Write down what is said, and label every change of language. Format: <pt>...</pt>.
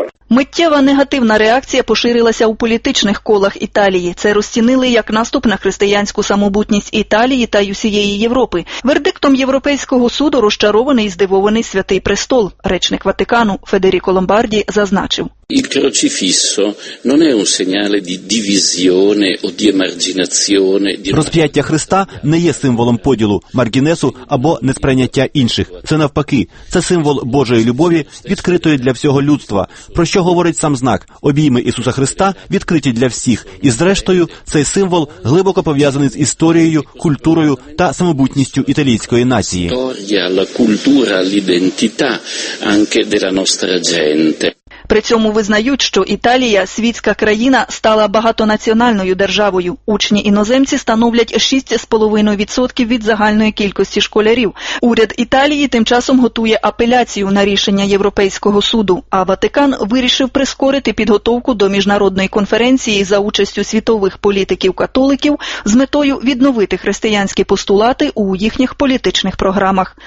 <uk>Миттєва негативна реакція поширилася у політичних колах Італії. Це розцінили як наступ на християнську самобутність Італії та й усієї Європи. Вердиктом Європейського суду розчарований і здивований Святий Престол. Речник Ватикану Федеріко Ломбарді зазначив.</uk> <it>Il crocifisso non è un segnale di divisione o di emarginazione.</it> <uk>Розп'яття Христа не є символом поділу, маргінесу або несприйняття інших. Це навпаки. Це символ Божої любові, відкритої для всього людства. Про що говорить сам знак? Обійми Ісуса Христа відкриті для всіх. І зрештою, цей символ глибоко пов'язаний з історією, культурою та самобутністю італійської нації.</uk> <it>Storia, la cultura, l'identità anche della nostra gente.</it> <uk>При цьому визнають, що Італія, світська країна, стала багатонаціональною державою. Учні-іноземці становлять 6,5% від загальної кількості школярів. Уряд Італії тим часом готує апеляцію на рішення Європейського суду, а Ватикан вирішив прискорити підготовку до міжнародної конференції за участю світових політиків-католиків з метою відновити християнські постулати у їхніх політичних програмах.</uk>